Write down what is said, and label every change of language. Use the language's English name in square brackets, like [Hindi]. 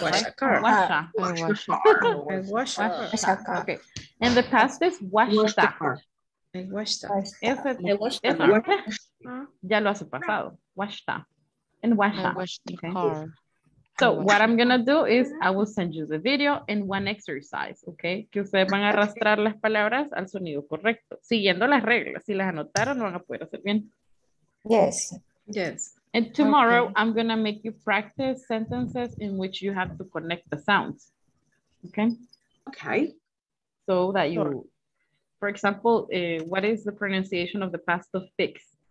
[English] I wash a car. And the past is washed. I washed the car. [Spanish] Ya lo hace pasado. [English] Washed. And washed. I washed the car. So what I'm going to do is I will send you the video and one exercise, okay? [Spanish] Que ustedes van a arrastrar las palabras al sonido correcto, siguiendo las reglas. Si las anotaron, lo van a poder hacer bien. [English] Yes. Yes. And tomorrow, okay, I'm going to make you practice sentences in which you have to connect the sounds. Okay? Okay. So that you, for example, what is the pronunciation of the past of fixed?